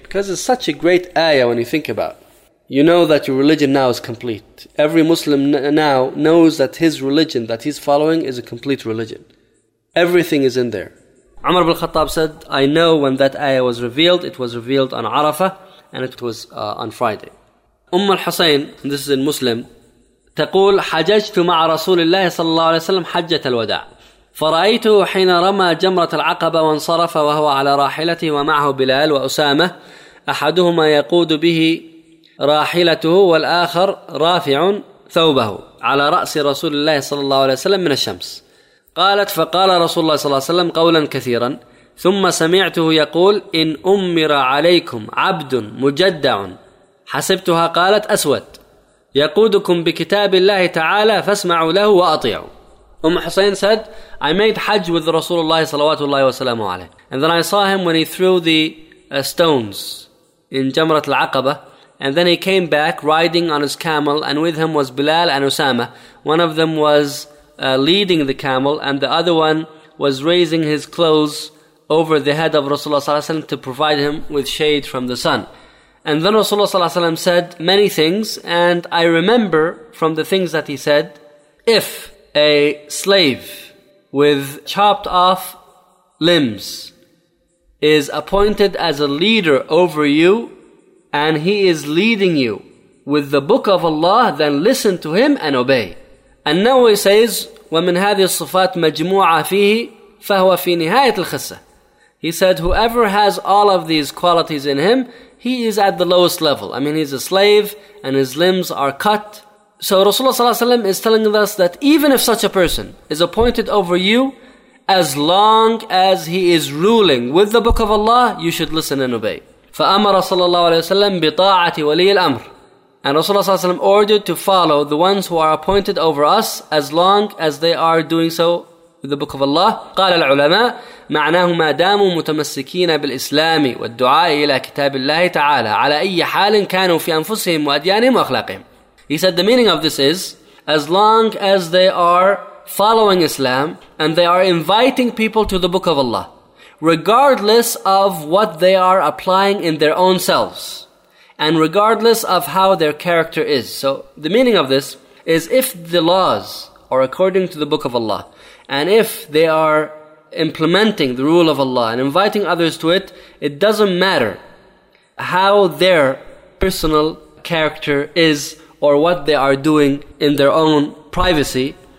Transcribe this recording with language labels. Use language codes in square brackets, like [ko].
[en] Because it's such a great ayah when you think about it. You know that your religion now is complete. Every Muslim now knows that his religion that he's following is a complete religion. Everything is in there. Umar ibn al-Khattab said, I know when that ayah was revealed. It was revealed on Arafah and it was on Friday. Umm al-Husayn, this is in Muslim, [ar] تقول حججت مع رسول الله صلى الله عليه وسلم حجة الوداع فرأيته حين رمى جمرة العقبة وانصرف وهو على راحلته ومعه بلال وأسامة أحدهما يقود به راحلته والآخر رافع ثوبه على رأس رسول الله صلى الله عليه وسلم من الشمس. قالت فقال رسول الله صلى الله عليه وسلم قولا كثيرا ثم سمعته يقول إن أمر عليكم عبد مجدع حسبتها قالت أسود يقودكم بكتاب الله تعالى فاسمعوا له وأطيعوا. [en] أم حسين said, I made Hajj with Rasulullah صلوات الله وسلامه عليه, and then I saw him when he threw the stones in جمرة العقبة, and then he came back riding on his camel, and with him was Bilal and Usama. One of them was leading the camel and the other one was raising his clothes over the head of Rasulullah sallallahu alaihi wasallam to provide him with shade from the sun. And then Rasulullah sallallahu alaihi wasallam said many things, and I remember from the things that he said, if a slave with chopped off limbs is appointed as a leader over you, and he is leading you with the book of Allah, then listen to him and obey. And now he says, [ar] وَمِنْ هَذِي الصِّفَاتِ مَجْمُوعَ فِيهِ فَهُوَ فِي نِهَايَةِ الْخِسَّةِ. [en] He said, whoever has all of these qualities in him, he is at the lowest level. I mean, he's a slave and his limbs are cut. So Rasulullah ﷺ is telling us that even if such a person is appointed over you, as long as he is ruling with the book of Allah, you should listen and obey. [ar] فَأَمَرَ صَلَى اللَّهُ عَلَيْهِ وَسَلَّمْ بِطَاعَةِ وَلِيِّ الْأَمْرِ. [en] And Rasulullah ﷺ ordered to follow the ones who are appointed over us as long as they are doing so with the book of Allah. [ar] قال العلماء معناه ما داموا متمسكين بالإسلام والدعاء إلى كتاب الله تعالى على أي حال كانوا في أنفسهم وأديانهم وأخلاقهم. [en] He said the meaning of this is, as long as they are following Islam and they are inviting people to the book of Allah, regardless of what they are applying in their own selves, and regardless of how their character is. So the meaning of this is, if the laws are according to the book of Allah, and if they are implementing the rule of Allah and inviting others to it, it doesn't matter how their personal character is or what they are doing in their own privacy.